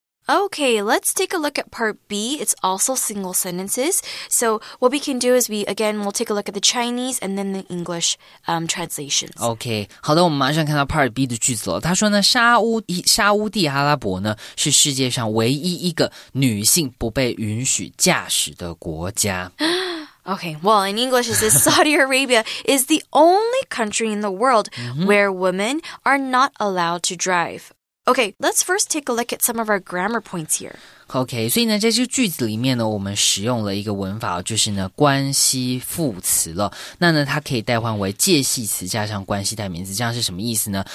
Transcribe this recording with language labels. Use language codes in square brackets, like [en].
[en] Okay, let's take a look at part B. It's also single sentences. So what we can do is we'll take a look at the Chinese and then the English translations. [zh] Okay, 好的，我们马上看到 part B 的句子了。他说呢，沙乌地阿拉伯呢是世界上唯一一个女性不被允许驾驶的国家。 [en] Okay, well, in English it says Saudi Arabia is the only country in the world where women are not allowed to drive. Okay, let's first take a look at some of our grammar points here. [zh] Okay, 所以呢在这个句子里面呢我们使用了一个文法就是呢关系副词了。那呢它可以代换为介系词加上关系代名词，这样是什么意思呢？